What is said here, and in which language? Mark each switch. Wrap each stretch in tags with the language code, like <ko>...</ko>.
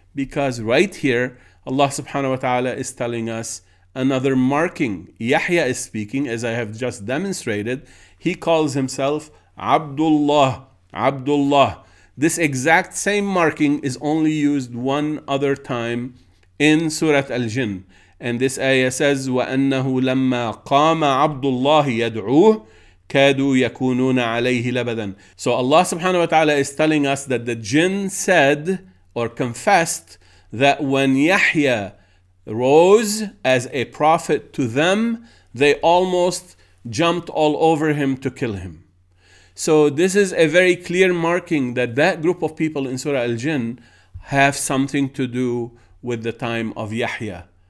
<en>Because right here, Allah subhanahu wa ta'ala is telling us another marking. Yahya is speaking, as I have just demonstrated. He calls himself Abdullah, Abdullah. This exact same marking is only used one other time in Surah Al-Jinn. And this ayah says,</en> <ar>وَأَنَّهُ لَمَّا قَامَ عَبْدُ اللَّهِ يَدْعُوهُ كَادُوا يَكُونُونَ عَلَيْهِ لَبَدًا.</ar> <en>So Allah subhanahu wa ta'ala is telling us that the jinn said or confessed that when Yahya rose as a prophet to them, they almost jumped all over him to kill him. So this is a very clear marking that that group of people in Surah Al-Jinn have something to do with the time of Yahya.</en>